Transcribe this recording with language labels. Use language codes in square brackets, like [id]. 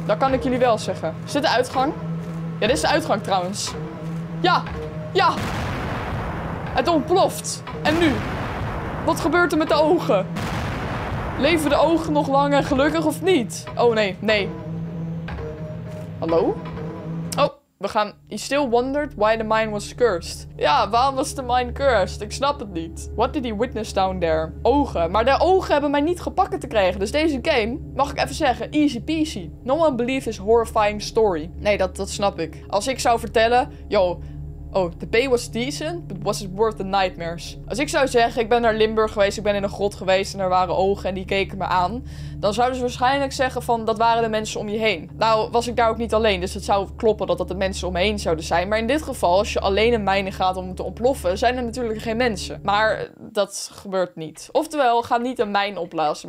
[nl] Dat kan ik jullie wel zeggen. Is dit de uitgang? Ja, dit is de uitgang trouwens. Ja. Het ontploft. En nu? Wat gebeurt er met de ogen? Leven de ogen nog lang en gelukkig of niet? Oh, nee. Hallo? Oh, we gaan... [en] He still wondered why the mine was cursed. [nl] Ja, waarom was de mine cursed? Ik snap het niet. [en] What did he witness down there? [nl] Ogen. Maar de ogen hebben mij niet gepakken te krijgen. Dus deze game, mag ik even zeggen, easy peasy. [en] No one believes his horrifying story. [nl] Nee, dat snap ik. Als ik zou vertellen... Yo... [en] Oh, the pay was decent, but was it worth the nightmares? [nl] Als ik zou zeggen, ik ben naar Limburg geweest, ik ben in een grot geweest en er waren ogen en die keken me aan. Dan zouden ze waarschijnlijk zeggen van, dat waren de mensen om je heen. Nou, was ik daar ook niet alleen, dus het zou kloppen dat de mensen om me heen zouden zijn. Maar in dit geval, als je alleen een mijn gaat om te ontploffen, zijn er natuurlijk geen mensen. Maar dat gebeurt niet. Oftewel, ga niet een mijn opblazen.